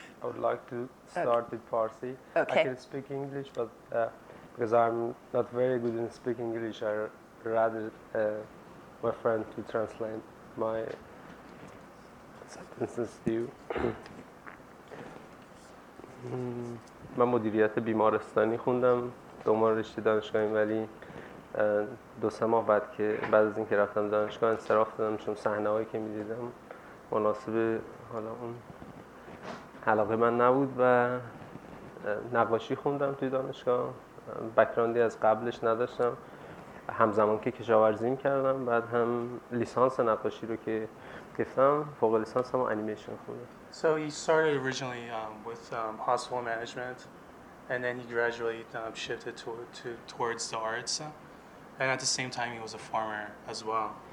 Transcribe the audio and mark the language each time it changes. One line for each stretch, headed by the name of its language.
English: I would like to start with Farsi. Okay. I can speak English, but because I'm not very good in speaking English, I rather my friend to translate my sentences to you.
Persian: من مدیریت بیمارستانی خوندم دوم رشته دانشگاهی ولی دو سه ماه بعد که بعد از اینکه رفتم دانشگاه انصراف دادم چون صحنه‌هایی که می‌دیدم مناسب حالا اون علاقه من نبود و نقاشی خوندم توی دانشگاه. بک‌گراندی از قبلش نداشتم، همزمان که کشاورزی کردم بعد هم لیسانس نقاشی رو که گرفتم فوق لیسانس هم انیمیشن خوندم.
English: So you started originally with hospital management and then you gradually shifted towards the arts. And at the same time, he was a farmer as well.